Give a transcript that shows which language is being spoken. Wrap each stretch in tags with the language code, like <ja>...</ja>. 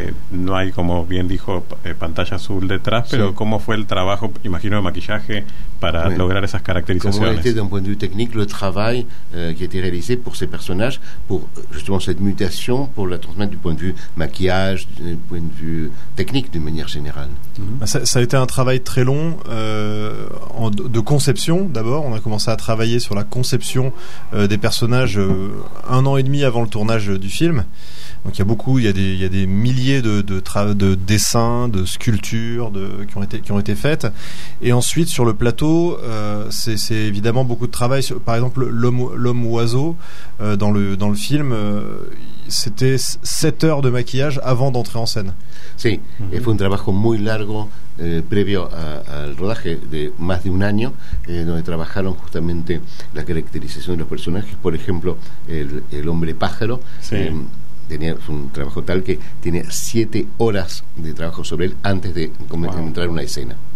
<es>No hay, como bien dijo, pantalla azul detrás, pero sí. ¿Cómo fue el trabajo, imagino, de maquillaje para lograr esas caracterizaciones? Como desde un punto de vista técnico, el trabajo que se realizó por estos personajes, por justamente esta mutación, por la transmisión, desde un punto de vista maquillaje, desde un punto de vista técnico, de manera general.</es> <fr>Ça a été un travail très long de conception. D'abord, on a commencé à travailler sur la conception des personnages un an et demi avant le tournage du film. Donc il y a des milliers de dessins, de sculptures qui ont été faites. Et ensuite sur le plateau, c'est évidemment beaucoup de travail. Par exemple, l'homme oiseau dans le film, c'était 7 heures de maquillage avant d'entrer en scène.</fr> <es>Sí, fue un trabajo muy largo previo al rodaje de más de un año, donde trabajaron justamente la caracterización de los personajes. Por ejemplo, el hombre pájaro. Sí. Tenía un trabajo tal que tiene 7 horas de trabajo sobre él antes de entrar una escena.</es>